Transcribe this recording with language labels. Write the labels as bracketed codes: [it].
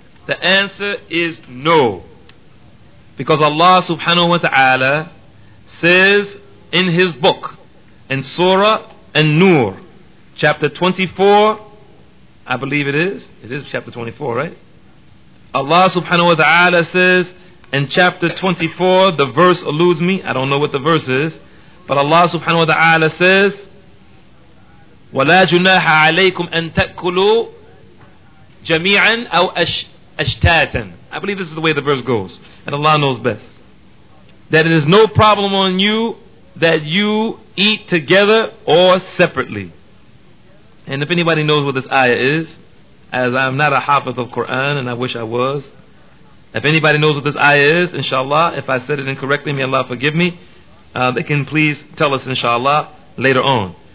[en] The answer is no. Because Allah subhanahu wa ta'ala says in his book, in Surah An-Nur, chapter 24, I believe it is. It is chapter 24, right? Allah subhanahu wa ta'ala says in chapter 24, the verse eludes me. I don't know what the verse is. But Allah subhanahu wa ta'ala says, [ar] وَلَا جُنَاحَ عَلَيْكُمْ أَن تَأْكُلُوا جَمِيعًا أَوْ أَشْتَاتًا. [en] I believe this is the way the verse goes. And Allah knows best. That it is no problem on you that you eat together or separately. And if anybody knows what this ayah is, as I'm not a hafiz of Quran, and I wish I was, if anybody knows what this ayah is, inshallah, if I said it incorrectly, may Allah forgive me, they can please tell us, inshallah, later on.